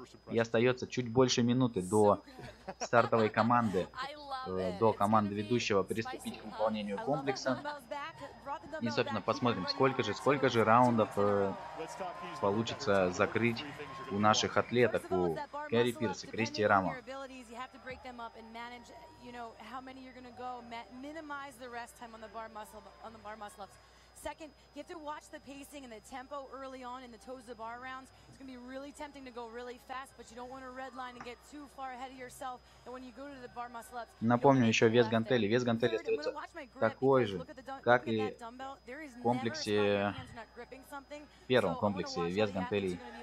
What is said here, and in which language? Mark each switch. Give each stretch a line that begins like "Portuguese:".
Russian: И остается чуть больше минуты до стартовой команды, до команды ведущего приступить к выполнению комплекса. И, собственно, посмотрим, сколько же раундов получится закрыть у наших атлеток, у Кэрри Пирс и Кристи Рама.
English: You know, how many you're going to go, minimize the rest time on the bar muscle ups. Second, you have to watch the pacing and the tempo early on in the toes of the bar rounds. It's going to be really tempting to go really fast, but you don't want to redline and get too far ahead of yourself. And when you go to the bar muscle ups,
Russian: напомню еще вес гантелей. Вес гантелей остается такой же, как и в комплексе, в первом комплексе вес гантелей